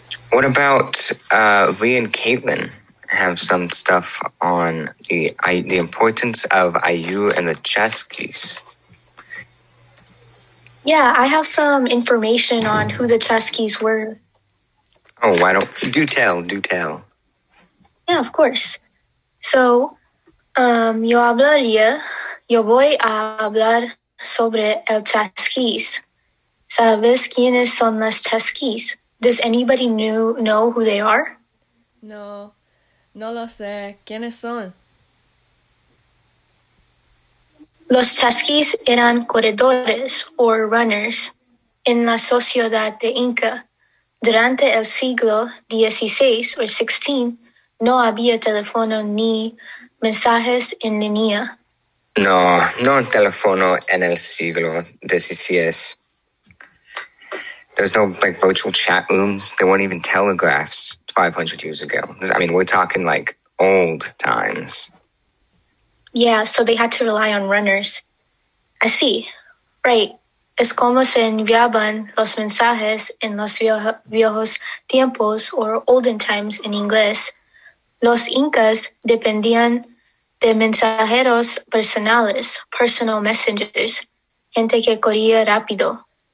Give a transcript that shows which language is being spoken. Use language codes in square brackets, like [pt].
[en] What about Lee and Caitlin? Have some stuff on the importance of Allyu and the Chasquis. Yeah, I have some information on who the Chasquis were. Oh, why don't... Do tell. Yeah, of course. [es] So, yo hablaría, yo voy a hablar sobre el Chasquis. ¿Sabes quiénes son las Chasquis? [en] Does anybody know who they are? [es] No. No lo sé. ¿Quiénes son? Los Chasquis eran corredores, [en] or runners, [es] en la sociedad de Inca. Durante el siglo XVI or XVI, no había teléfono ni mensajes en línea. No, no teléfono en el siglo XVI. [en] There's no, like, virtual chat rooms. There weren't even telegraphs. 500 years ago. I mean, we're talking like old times. Yeah, so they had to rely on runners. I see. Right. [es] Es como se enviaban los mensajes en los viejos tiempos [en] or olden times in English. [es] Los incas dependían de mensajeros personales, [en] personal messengers, [es] gente que corría rápido.